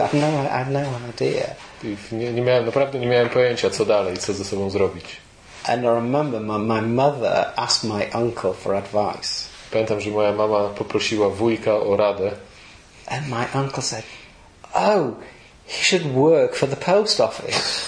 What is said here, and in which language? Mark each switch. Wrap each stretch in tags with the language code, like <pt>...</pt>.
<en>I had no idea.</en> <pl>Nie miałem, naprawdę nie miałem pojęcia, co dalej, co ze sobą zrobić.</pl> <en>And I remember my mother asked my uncle for advice.</en> <pl>Pamiętam, że moja mama poprosiła wujka o radę.</pl> <en>And my uncle said, "Oh, he should work for the post office."</en>